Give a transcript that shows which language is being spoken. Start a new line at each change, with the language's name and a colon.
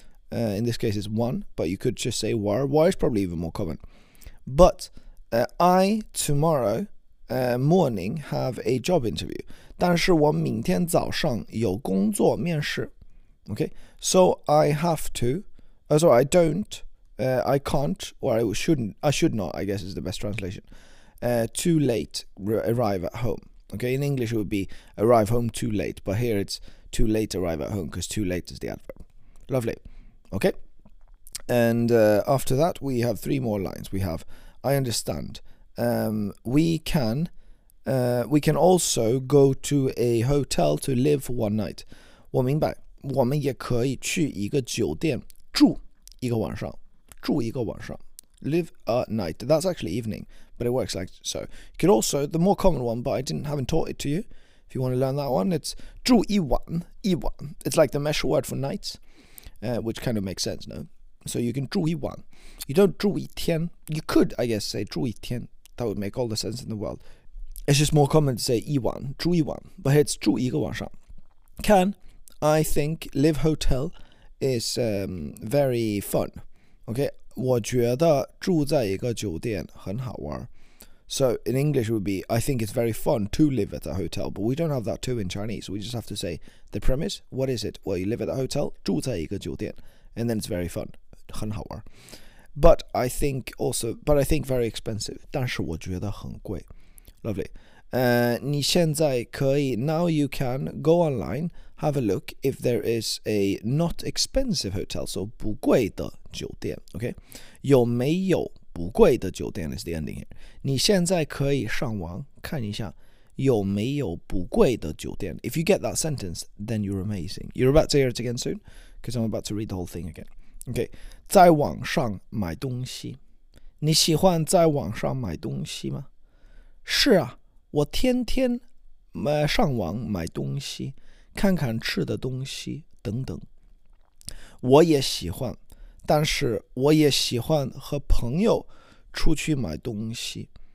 English: In this case, it's 玩, but you could just say 玩. 玩 is probably even more common. But I tomorrow morning have a job interview.
Chinese: 但是我明天早上有工作面试.
English: Okay, so I have to. Sorry, I don't. I can't, or I shouldn't. I should not. I guess is the best translation. Too late arrive at home. Okay, in English it would be arrive home too late, but here it's too late arrive at home because too late is the adverb. Lovely. Okay, and after that we have three more lines. We have. I understand. We can also go to a hotel to live for one night.
Chinese: 我明白，我们也可以去一个酒店住一个晚上，住一个晚上。
English: Live a night. That's actually evening, but it works like so. You could also, the more common one, but I didn't, haven't taught it to you. If you want to learn that one, it's
Chinese: 住一晚，一晚.
English: It's like the mesh word for nights, which kind of makes sense, no? So you can
Chinese: 住一晚.
English: You don't
Chinese: 住一天.
English: You could, I guess, say 住一天.That would make all the sense in the world. It's just more common to say
Chinese: 一晚, 住一晚.
English: But it's
Chinese: 住一个晚上.
English: Can, I think, live hotel is very fun, okay?
Chinese: 我觉得住在一个酒店很好玩。
English: So in English it would be, I think it's very fun to live at a hotel, but we don't have that too in Chinese. We just have to say the premise, what is it? Well, you live at a hotel,
Chinese: 住在一个酒店,
English: and then it's very fun,
Chinese: 很好玩。
English: But I think also, but I think very expensive,
Chinese: 但是我觉得很贵。
English: Lovely.
Chinese: 你现在可以,
English: now you can go online, have a look if there is a not expensive hotel, so
Chinese: 不贵的酒店,
English: okay?
Chinese: 有没有不贵的酒店
English: is the ending here.
Chinese: 你现在可以上网看一下有没有不贵的酒店。
English: If you get that sentence, then you're amazing. You're about to hear it again soon, because I'm about to read the whole thing again. Okay,
Chinese: 在网上买东西。你喜欢在网上买东西吗？是啊，我天天上网买东西，看看吃的东西等等。我也喜欢，但是我也喜欢和朋友出去买东西。